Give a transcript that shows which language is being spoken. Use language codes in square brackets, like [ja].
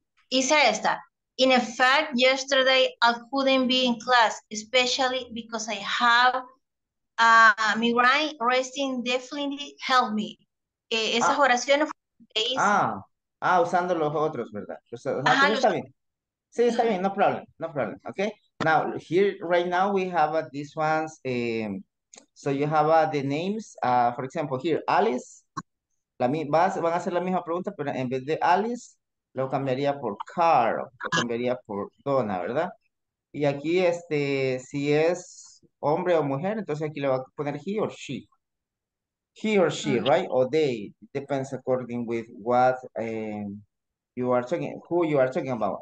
[es] Hice esta. [en] In effect, yesterday I couldn't be in class, especially because I have migraine resting definitely helped me. [es] Esas oraciones. Usando los otros, ¿verdad? O sea, ajá, está bien. Sí, está bien, [en] no problem. [es] Okay. [en] Now, here, right now, we have these ones. So you have the names. For example, here, [es] Alice. Van a hacer la misma pregunta, pero en vez de Alice, Lo cambiaría por car, lo cambiaría por dona, ¿verdad? Y aquí, este, si es hombre o mujer, entonces aquí le va a poner he or she. [en] He or she, right? O they. Depends according with what you are talking, who you are talking about.